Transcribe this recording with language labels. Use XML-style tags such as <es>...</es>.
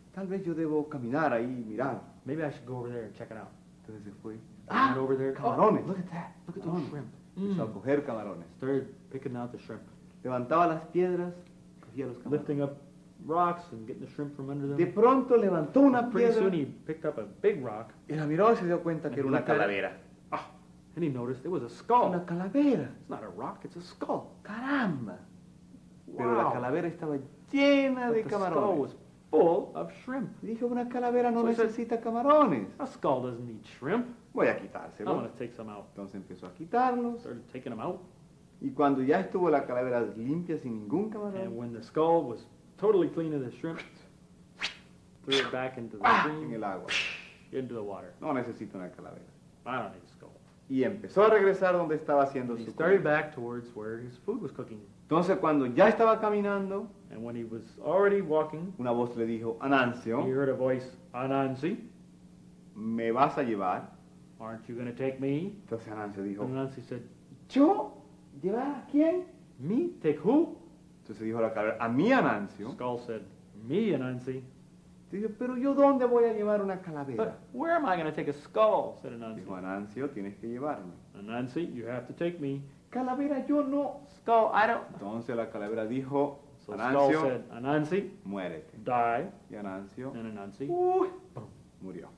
<es>Tal vez yo debo caminar ahí y mirar.</es> <en>Maybe I should go over there and check it out.</en> <es>Entonces se fue.</es> <en>Went over there.</en> <es>Camarones.</es> <en>Oh, look at that. Look at those shrimp.</en> <es>Empezó a coger camarones.</es> <en>Started picking out the shrimp.</en> <es>Levantaba las piedras. Cogía los camarones.</es> <en>Lifting up rocks and getting the shrimp from under them.</en> <es>De pronto levantó una piedra.</es> <en>Pretty soon he picked up a big rock.</en> <es>Y la miró y se dio cuenta que era una calavera.</es> <en>Ah, oh, and he noticed it was a skull.</en> <es>Una calavera.</es> <en>It's not a rock, it's a skull.</en> <es>Caramba.</es> <en>Wow.</en> <es>Pero la calavera estaba llena</es> <en>but</en> <es>de camarones.</es> <en>The skull was full of shrimp.</en> <es>Dijo, una calavera no necesita camarones.</es> <en>A skull doesn't need shrimp.</en> <es>Voy a quitárselo.</es> <en>I'm going to take some out.</en> <es>Entonces empezó a quitarlos.</es> <en>Started taking them out.</en> <es>Y cuando ya estuvo la calavera limpia sin ningún camarón.</es> <en>And when the skull was totally clean of the shrimp, threw it back into the stream.</en> <es>En el agua.</es> <en>Into the water.</en> <es>No necesito una calavera.</es> <en>I don't need a skull.</en> <es>Y empezó a regresar donde estaba haciendo</es> <en>and</en> <es>su</es> <en>he started comida. Back towards where his food was cooking.</en> <es>Entonces cuando ya estaba caminando.</es> <en>And when he was already walking.</en> <es>Una voz le dijo, Anancio.</es> <en>He heard a voice, Anansi.</en> <es>Me vas a llevar.</es> <en>Aren't you going to take me?</en> <es>Entonces Anancio dijo.</es> <en>Anansi said,</en> <es>yo. ¿Llevar a quién?</es> <en>Me? Take who?</en> <es>Entonces dijo la calavera, a mí, Anancio.</es> <en>Skull said, me, Anansi.</en> <es>Dijo, pero yo dónde voy a llevar una calavera?</es> <en>But where am I going to take a skull? Said Anansi.</en> <es>Dijo, Anancio, tienes que llevarme.</es> <en>Anansi, you have to take me.</en> <es>Calavera, yo no.</es> <en>Skull, I don't.</en> <es>Entonces la calavera dijo,</es> <en>so</en> <es>Anancio.</es> <en>Skull said, Anansi.</en> <es>Muérete.</es> <en>Die.</en> <es>Y Anancio.</es> <en>And Anansi.</en> <es>Murió.</es>